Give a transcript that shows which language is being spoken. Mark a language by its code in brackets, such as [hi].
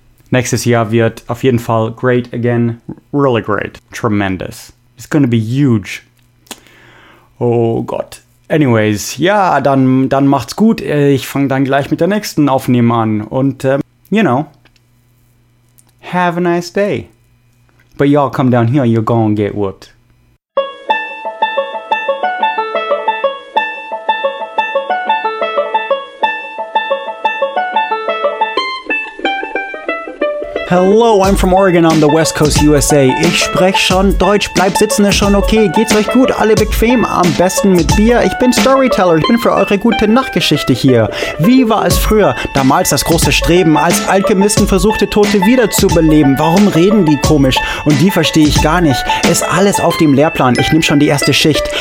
[de] Nächstes Jahr wird auf jeden Fall [en] great again. Really great. Tremendous. It's gonna be huge. [de] Oh Gott. Anyways, ja, dann macht's gut. Ich fange dann gleich mit der nächsten Aufnahme an. [en] Und, you know, have a nice day. But y'all come down here, you're gonna get whooped. Hello, I'm from Oregon on the West Coast USA. [de] Ich spreche schon Deutsch, bleib sitzen, ist schon okay. Geht's euch gut, alle bequem, am besten mit Bier. Ich bin Storyteller, ich bin für eure gute Nachtgeschichte hier. Wie war es früher? Damals das große Streben, als Alchemisten versuchte, Tote wiederzubeleben. Warum reden die komisch? Und die verstehe ich gar nicht. Ist alles auf dem Lehrplan, ich nehme schon die erste Schicht.